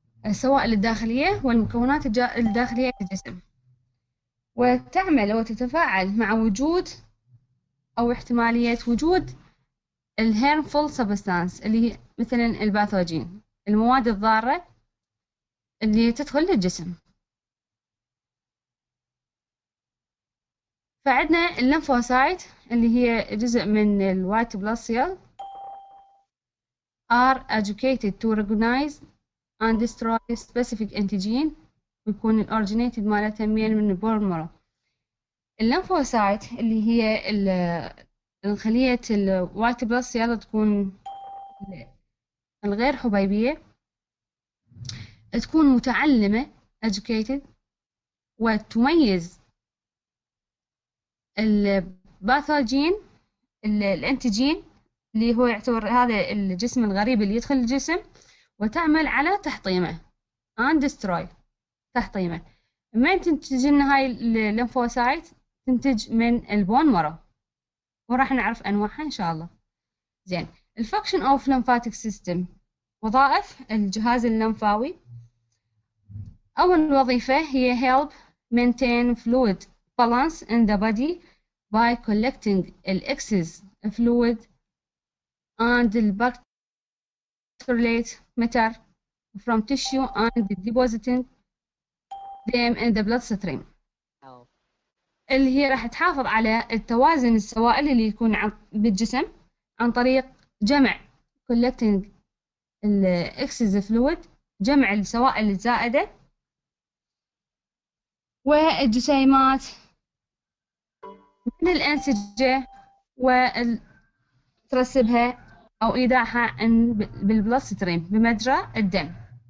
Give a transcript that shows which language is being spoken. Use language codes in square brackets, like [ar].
[ar] سواء الداخلية والمكونات الداخلية للجسم، وتعمل أو تتفاعل مع وجود أو احتمالية وجود الـ harmful substance اللي هي مثلا الباثوجين، المواد الضارة اللي تدخل للجسم. فعندنا الليمفوسايت اللي هي جزء من الـ [en] white blood cell are educated to recognize and destroy specific antigen، [ar] ويكون الـ originated مالتها من الـ bone marrow. الليمفوسايت اللي هي الخلية الـ white blood cell تكون الغير حبيبية، تكون متعلمة educated وتميز الباثوجين الانتيجين اللي هو يعتبر هذا الجسم الغريب اللي يدخل الجسم، وتعمل على تحطيمه [en] and destroy [ar] تحطيمه. من تنتج لنا هاي الليمفوسايت؟ تنتج من البون مرو، وراح نعرف انواعها ان شاء الله. زين، الفانكشن اوف ليمفاتيك سيستم، وظائف الجهاز الليمفاوي. اول وظيفه هي [en] help maintain fluid balance in the body by collecting the excess fluid and the particulate matter from tissue and depositing them in the bloodstream. [ar] اللي هي راح تحافظ على التوازن السوائل اللي يكون بالجسم عن طريق جمع [en] collecting the excess fluid، [ar] جمع السوائل الزائدة والجسيمات من الأنسجة وترسبها أو إيداعها بالبلاست ستريم بمجرى الدم.